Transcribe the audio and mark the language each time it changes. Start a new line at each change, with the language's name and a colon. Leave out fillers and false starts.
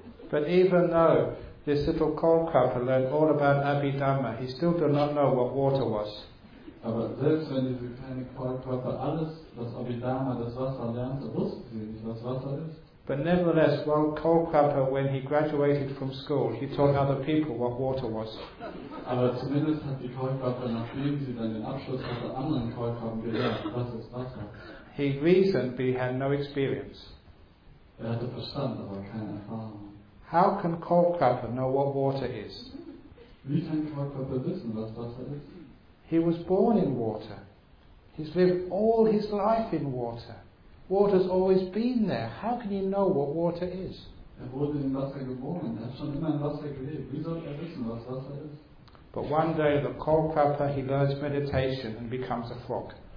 English: But even though this little Kaulquappa learned all about Abhidhamma, he still did not know what water was.
German: Aber selbst wenn diese kleine Kaulquappa alles, was Abhidhamma, das Wasser lernte, wusste sie nicht, was Wasser ist.
English: But nevertheless, well, Kaulquappa, when he graduated from school, he taught other people what water was.
German: Aber zumindest hat die Kaulquappa, nachdem sie dann den Abschluss hatte, anderen Kaulquappen gelernt, was ist Wasser.
English: He reasoned, but he had no experience.
German: Er hatte Verstand, aber keine Erfahrung.
English: How can Kaulquappa know what water is?
German: Wie kann Kaulquappa wissen, was Wasser ist?
English: He was born in water. He's lived all his life in water. Water's always been there. How can you know what water is?
German: Er wurde in Wasser geboren. Er hat schon immer in Wasser gelebt. Wie soll er wissen, was Wasser ist?
English: But one day the Kaulquappa, he learns meditation and becomes a frog.